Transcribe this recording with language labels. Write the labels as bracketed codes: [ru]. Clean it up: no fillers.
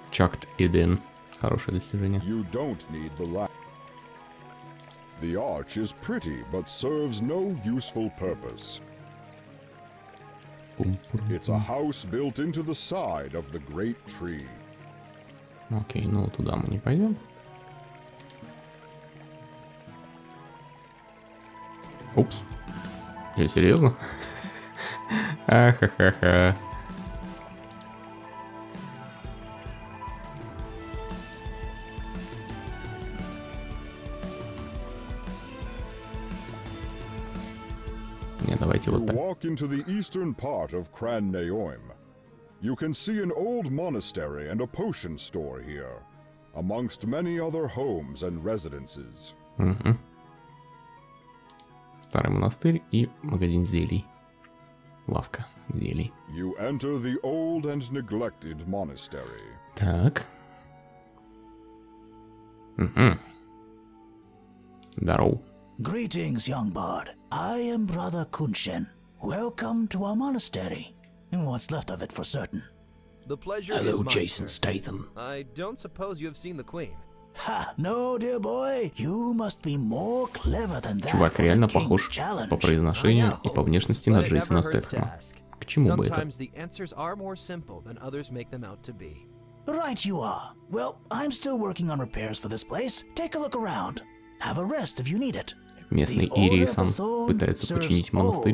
[en] Chucked it in. [ru] Хорошее достижение. [en] You don't need the light. The arch is pretty, but serves no useful purpose. It's a house built into the side of the great tree. [ru] Окей, ну туда мы не пойдем. Упс. Я серьезно? Ахахаха. [en] Walk into the eastern part of Cran Naoim. You can see an old monastery and a potion store here, amongst many other homes and residences. [ru] Старый монастырь и магазин зелий. Лавка зелий. [en] You enter the old and neglected monastery. [ru] Так. Дароу. [en] Greetings, young bard. I am Brother Kunshen. Welcome to our monastery. And what's left of it for certain. The pleasure Hello, Hello, Jason Statham. I don't suppose you have seen the queen. Ha! No, dear boy. You must be more clever than that. [ru] Чувак реально похож по произношению и по внешности на Джейсона Стэтхэма. К чему бы это? [en] Sometimes the answers are more simple than others make them out to be. Right you are. Well, I'm still working on repairs for this place. Take a look around. Have a rest if you need it. [ru] Местный Ирий сам пытается починить монастырь.